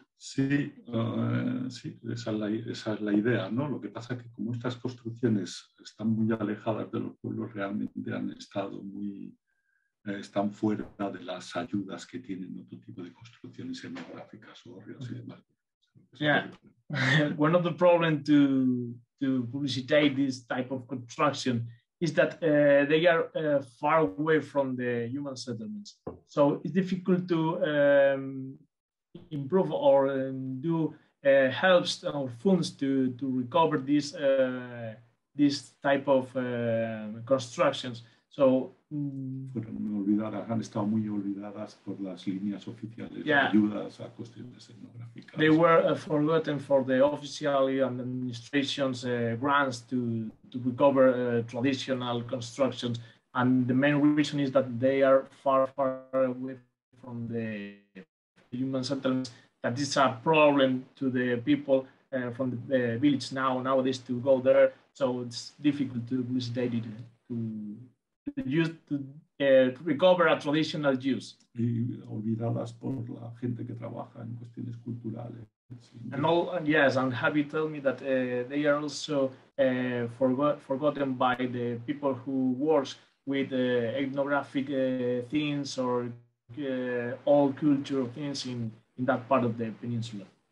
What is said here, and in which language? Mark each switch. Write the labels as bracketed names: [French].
[Spanish] Sí, sí, esa es la idea, ¿no? Lo que pasa es que como estas construcciones están muy alejadas de los pueblos, realmente han estado muy, están fuera de las ayudas que tienen otro tipo de construcciones etnográficas o ríos y demás. [English] Yeah, one of the problem to publicitate this type of construction is that they are far away from the human settlements. So it's difficult to improve or do helps or funds to recover this type of constructions. So [Spanish] fueron olvidadas, han estado muy olvidadas por las líneas oficiales de ayudas a cuestiones etnográficas. [English] They were forgotten for the official administration's grants to recover traditional constructions, and the main reason is that they are far away from the human settlements. That is a problem to the people from the village nowadays to go there. So it's difficult to visitate it to recover a traditional use. [Spanish] Y olvidadas por la gente que trabaja en cuestiones culturales. [English] And all, yes, and Javi told me that they are also forgotten by the people who work with ethnographic things or all cultural things in that part of the peninsula.